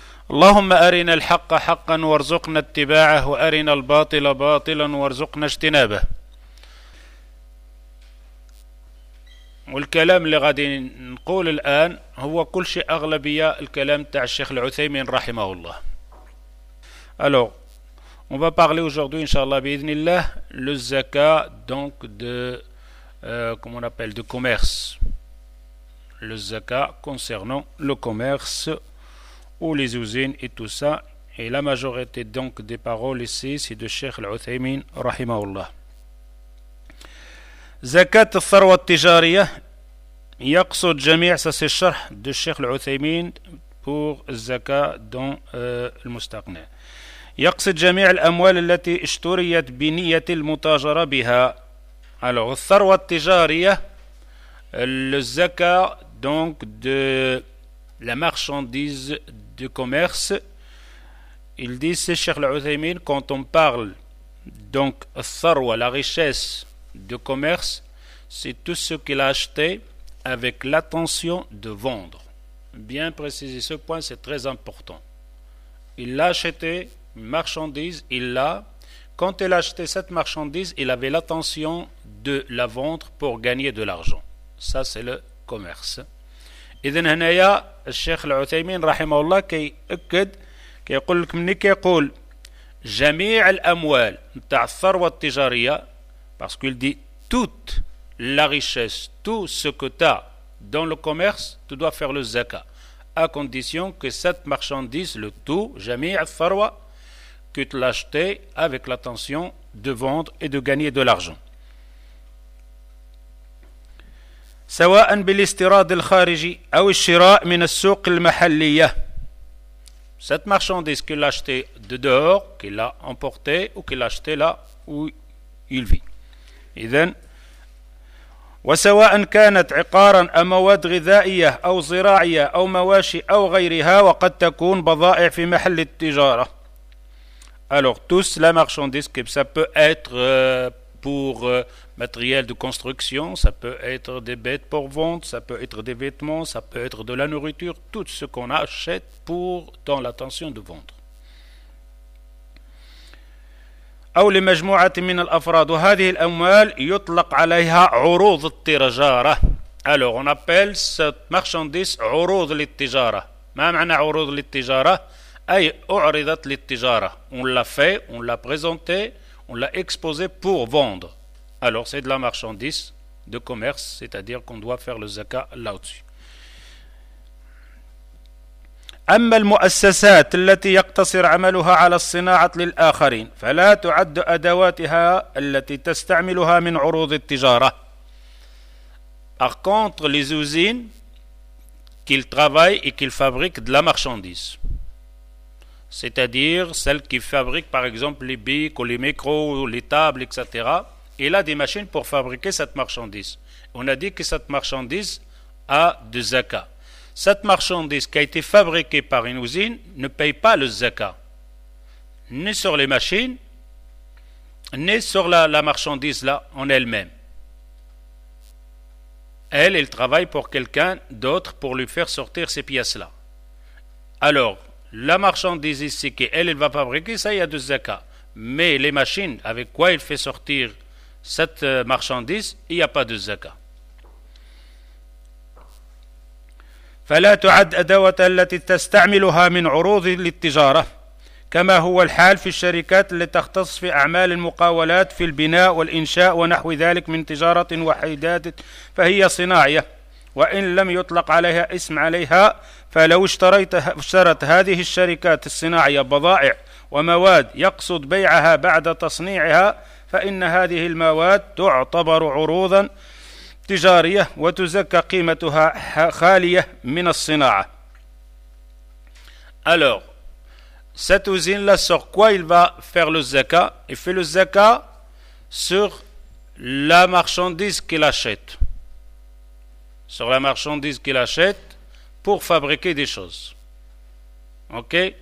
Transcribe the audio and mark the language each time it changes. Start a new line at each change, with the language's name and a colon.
Arabic: اللهم أرنا الحق حقا وارزقنا اتباعه، وأرنا الباطل باطلا وارزقنا اجتنابه. والكلام اللي غادي نقول الآن هو كل شيء أغلبية الكلام تاع الشيخ العثيمين رحمه الله.
French: الو on va parler aujourd'hui inshallah
Arabic: باذن الله
French: le zakat donc de comment on appelle de commerce. Le zakat concernant le commerce ou les usines et tout ça, et la majorité donc des paroles ici c'est de Cheikh العثيمين رحمه الله.
Arabic: زكاة الثروة التجارية يقصد جميع ساسي الشرح دو الشيخ العثيمين pour الزكاة دون المستقنع، يقصد جميع الأموال التي اشتريت بنية المتاجرة بها.
French: alors
Arabic: الثروة التجارية الزكاة
French: donc de la marchandise du commerce. il dit ce الشيخ العثيمين quand on parle donc الثروة la richesse de commerce, c'est tout ce qu'il a acheté avec l'intention de vendre. Bien préciser ce point, c'est très important. Il l'a acheté, une marchandise, il l'a. Quand il a acheté cette marchandise, il avait l'intention de la vendre pour gagner de l'argent. Ça, c'est le commerce.
Arabic: إذن هنا يا الشيخ العثيمين رحمه الله كي أكد كي يقول لكم ني كي يقول جميع الأموال نتاع الثروة التجارية.
French: Parce qu'il dit toute la richesse, tout ce que tu as dans le commerce, tu dois faire le zakat. À condition que cette marchandise, le tout,
Arabic: jami' al-farwa,
French: que tu l'achetais avec l'intention de vendre et de gagner de l'argent.
Arabic: سواء بالاستيراد الخارجي أو الشراء من السوق المحلية.
French: Cette marchandise qu'il a acheté de dehors, qu'il a emporté ou qu'il a acheté là où il vit.
Arabic: إذن وسواء كانت عقارا أو مواد غذائية أو زراعية أو مواشي أو غيرها، وقد تكون بضائع في محل التجارة.
French: alors tous la marchandise que ça peut être pour matériel de construction, ça peut être des bêtes pour vente, ça peut être des vêtements, ça peut être de la nourriture, tout ce qu'on achète pour dans l'intention de vendre.
Arabic: أو لمجموعة من الأفراد، وهذه الأموال يطلق عليها عروض التجارة.
French: alors on appelle cette marchandise عروض للتجارة.
Arabic: ما معنى عروض للتجارة؟ أي أعرضت للتجارة.
French: on l'a fait, on l'a présenté, on l'a exposé pour vendre. alors c'est de la marchandise de commerce, c'est-à-dire qu'on doit faire le zakat là-dessus. أما المؤسسات التي يقتصر عملها على الصناعة للآخرين فلا تعد أدواتها التي تستعملها من عروض التجارة. Par contre, les usines qu'ils travaillent et qu'ils fabriquent de la marchandise, c'est-à-dire celles qui fabriquent par exemple les bics ou les micros ou les tables, etc., il a des machines pour fabriquer cette marchandise. On a dit que cette marchandise a du zakat. Cette marchandise qui a été fabriquée par une usine ne paye pas le zakat, ni sur les machines, ni sur la marchandise là en elle-même. Elle travaille pour quelqu'un d'autre pour lui faire sortir ces pièces-là. Alors, la marchandise ici qu'elle va fabriquer, ça, il y a du zakat. Mais les machines avec quoi il fait sortir cette marchandise, il n'y a pas de zakat.
Arabic: فلا تعد أدوات التي تستعملها من عروض للتجارة كما هو الحال في الشركات التي تختص في أعمال المقاولات في البناء والإنشاء ونحو ذلك من تجارة وحيدات فهي صناعية وإن لم يطلق عليها اسم عليها فلو اشترت هذه الشركات الصناعية بضائع ومواد يقصد بيعها بعد تصنيعها فإن هذه المواد تعتبر عروضا تجارية وتزكى قيمتها خالية من الصناعة.
French: alors cette usine là sur quoi il va faire le zakat? Il fait le zakat sur la marchandise qu'il achète. sur la marchandise qu'il achète pour fabriquer des choses. Ok?